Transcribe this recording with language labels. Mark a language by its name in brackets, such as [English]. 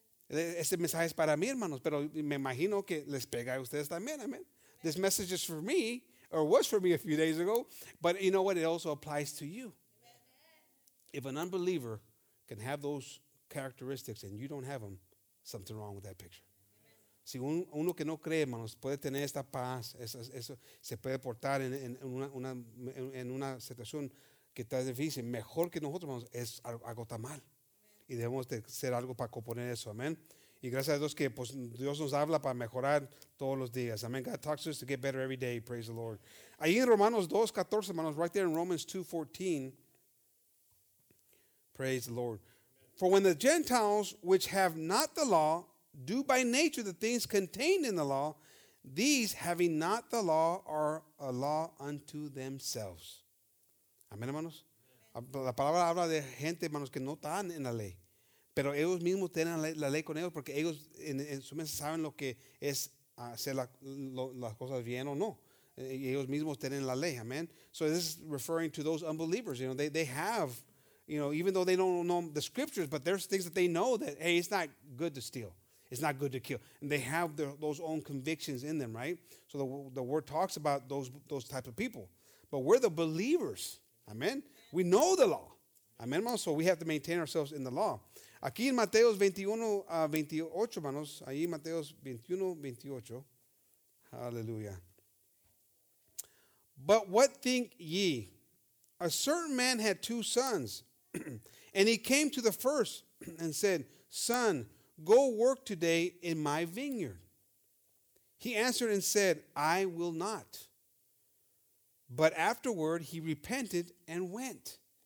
[Spanish] Este mensaje es para mí, hermanos, pero me imagino que les pega a ustedes también, amén. [English] This message is for me, or was for me a few days ago, but you know what? It also applies to you. If an unbeliever can have those characteristics and you don't have them, something wrong with that picture. [Spanish] Si uno que no cree, hermanos, puede tener esta paz, eso se puede portar en una situación que está difícil, mejor que nosotros, hermanos, es algo está mal. Y debemos de hacer algo para componer eso, amén. Y gracias a Dios que pues Dios nos habla para mejorar todos los días. [English] Amen. God talks to us to get better every day. Praise the Lord. [Spanish] Ahí en Romanos 2:14, hermanos, [English] right there in Romans 2:14. Praise the Lord. Amen. For when the Gentiles, which have not the law, do by nature the things contained in the law, these, having not the law, are a law unto themselves. [Spanish] Amen, hermanos. Amen. La palabra habla de gente, hermanos, que no están en la ley. Pero ellos mismos tienen la ley con ellos porque ellos en su mente saben lo que es hacer las cosas bien o no. Y ellos mismos tienen la ley, amen. [English] So this is referring to those unbelievers. You know, they have, you know, even though they don't know the scriptures, but there's things that they know that, hey, it's not good to steal. It's not good to kill. And they have those own convictions in them, right? So the word talks about those type of people. But we're the believers, amen. We know the law, amen, hermanos. So we have to maintain ourselves in the law. [Spanish] Aquí en Mateo 21:28, hermanos, ahí en Mateo 21:28, aleluya. [English] But what think ye? A certain man had two sons, and he came to the first and said, Son, go work today in my vineyard. He answered and said, I will not. But afterward he repented and went.